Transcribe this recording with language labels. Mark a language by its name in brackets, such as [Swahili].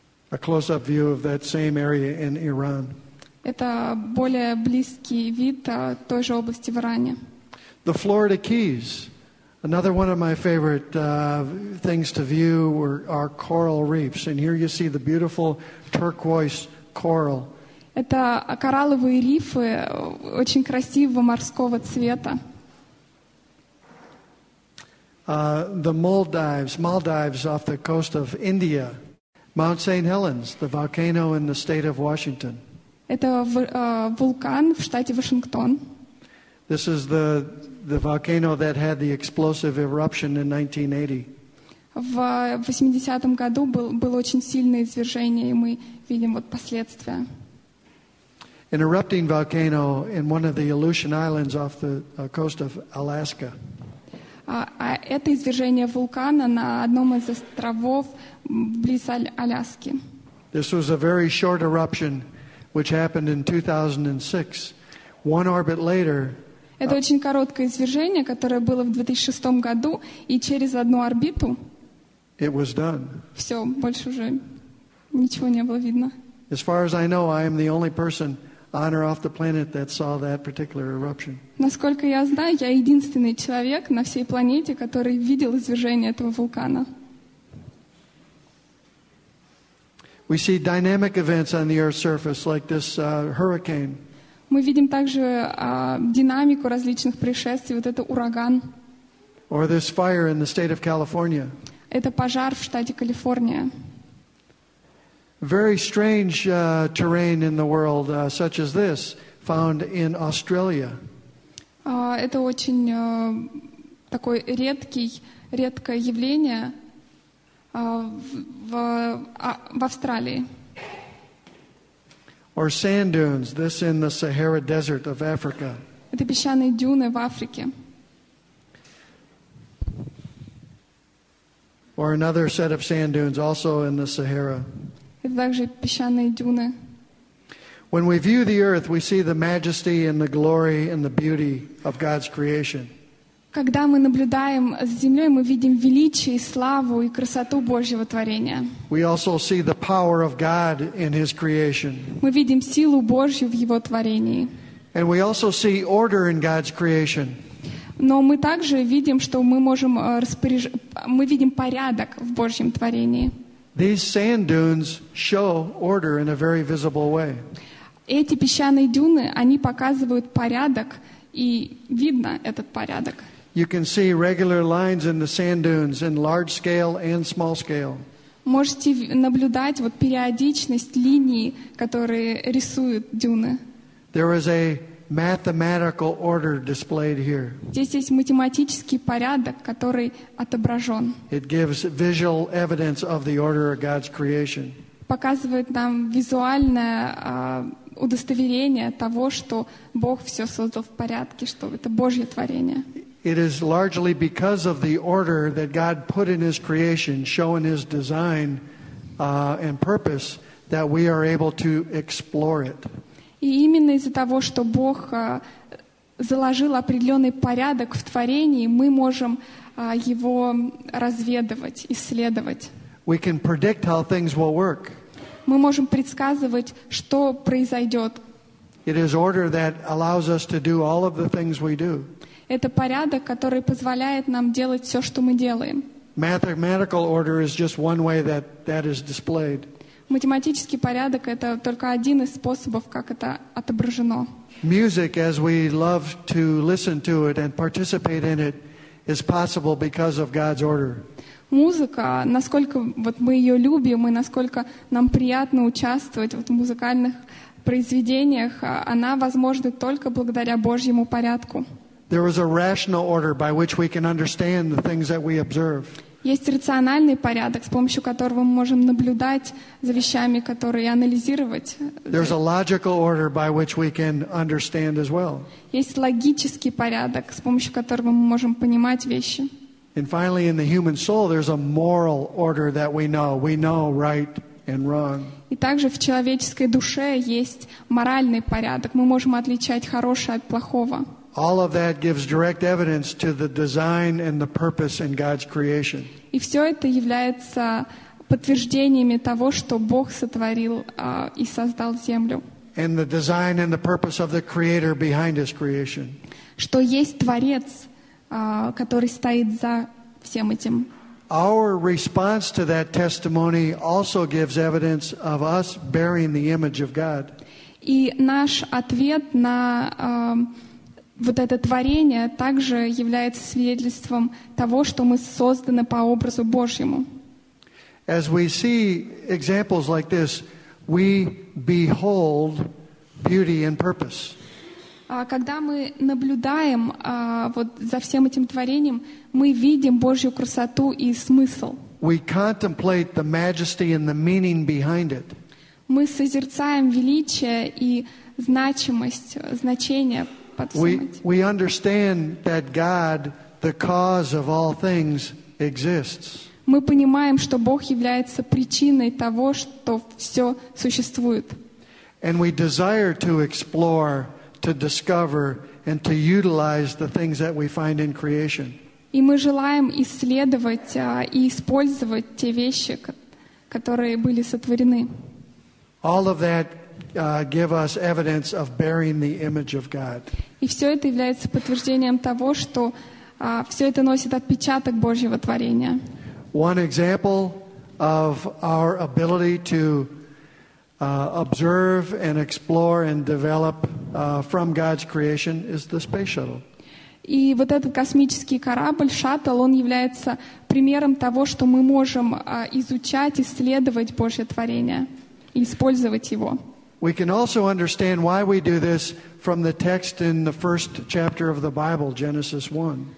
[English] A close-up view of that same area in Iran. [Russian] Это более близкий вид той же области в Иране. [English] The Florida Keys, another one of my favorite things to view are coral reefs. And here you see the beautiful turquoise coral. [Russian] Это коралловые рифы очень красивого морского цвета. [English] The Maldives off the coast of India. Mount St. Helens, the volcano in the state of Washington. [Russian] Это вулкан в штате Вашингтон. [English] This is the volcano that had the explosive eruption in 1980. [Russian] В 80-м году было очень сильное извержение, и мы видим вот последствия. [English] An erupting volcano in one of the Aleutian Islands off the coast of Alaska. [Russian] Это извержение вулкана на одном из островов близ Аляски. [English] This was a very short eruption which happened in 2006. One orbit later. [Russian] Это очень короткое извержение, которое было в 2006 году, и через одну орбиту. [English] It was done. [Russian] Все, больше уже ничего не было видно. [English] As far as I know, I am the only person on or off the planet that saw that particular eruption. [Russian] Насколько я знаю, я единственный человек на всей планете, который видел извержение этого вулкана. [English] We see dynamic events on the Earth's surface, like this hurricane. [Russian] Мы видим также динамику различных происшествий, вот это ураган. [English] Or this fire in the state of California. [Russian] Это пожар в штате Калифорния. [English] Very strange terrain in the world, such as this, found in Australia. [Russian] Это очень такое редкое явление в Австралии. [English] Or sand dunes, this in the Sahara Desert of Africa. [Russian] Это песчаные дюны в Африке. [English] Or another set of sand dunes, also in the Sahara. [Russian] Это также песчаные дюны. [English] When we view the earth, we see the majesty and the glory and the beauty of God's creation. [Russian] Когда мы наблюдаем с землей, мы видим величие, славу и красоту Божьего творения. [English] We also see the power of God in His creation. [Russian] Мы видим силу Божью в Его творении. [English] And we also see order in God's creation. [Russian] Но мы также видим, что мы можем мы видим порядок в Божьем творении. [English] These sand dunes show order in a very visible way. [Russian] Эти песчаные дюны, они показывают порядок, и видно этот порядок. [English] You can see regular lines in the sand dunes in large scale and small scale. [Russian] Можете наблюдать вот периодичность линий, которые рисуют дюны. [English] There is a mathematical order displayed here. [Russian] Здесь есть математический порядок, который отображен. [English] It gives visual evidence of the order of God's creation. [Russian] Показывает нам визуальное удостоверение того, что Бог все создал в порядке, что это Божье творение. [English] It is largely because of the order that God put in His creation, showing His design and purpose, that we are able to explore it. [Russian] И именно из-за того, что Бог заложил определенный порядок в творении, мы можем его разведывать, исследовать. [English] We can predict how things will work. [Russian] Мы можем предсказывать, что произойдет. [English] It is order that allows us to do all of the things we do. [Russian] Это порядок, который позволяет нам делать все, что мы делаем. [English] Mathematical order is just one way that is displayed. [Russian] Математический порядок — это только один из способов, как это отображено. [English] Music, as we love to listen to it and participate in it, is possible because of God's order. [Russian] Музыка, насколько вот мы ее любим и насколько нам приятно участвовать вот, в музыкальных произведениях, она возможна только благодаря Божьему порядку. [English] There is a rational order by which we can understand the things that we observe. [Russian] Есть рациональный порядок, с помощью которого мы можем наблюдать за вещами, которые анализировать. [English] There's a logical order by which we can understand as well. [Russian] Есть логический порядок, с помощью которого мы можем понимать вещи. [English] And finally, in the human soul, there's a moral order that we know. We know right and wrong. [Russian] И также в человеческой душе есть моральный порядок. Мы можем отличать хорошее от плохого. [English] All of that gives direct evidence to the design and the purpose in God's creation. [Russian] И все это является подтверждениями того, что Бог сотворил и создал землю. [English] And the design and the purpose of the Creator behind His creation. [Russian] Что есть Творец, который стоит за всем этим. [English] Our response to that testimony also gives evidence of us bearing the image of God. [Russian] И наш ответ на вот это творение также является свидетельством того, что мы созданы по образу Божьему. [English] As we see examples like this, we behold beauty and purpose. [Russian] Когда мы наблюдаем вот за всем этим творением, мы видим Божью красоту и смысл. [English] We contemplate the majesty and the meaning behind it. [Russian] Мы созерцаем величие и значимость, значение. [English] We understand that God, the cause of all things, exists. [Russian] Мы понимаем, что Бог является причиной того, что все существует. [English] And we desire to explore, to discover, and to utilize the things that we find in creation. [Russian] И мы желаем исследовать и использовать те вещи, которые были сотворены. [English] All of that give us evidence of bearing the image of God. [Russian] И все это является подтверждением того, что все это носит отпечаток Божьего творения. [English] One example of our ability to observe and explore and develop from God's creation is the space shuttle. [Russian] И вот этот космический корабль, шаттл, он является примером того, что мы можем изучать, исследовать Божье творение и использовать его. [English] We can also understand why we do this from the text in the first chapter of the Bible, Genesis 1.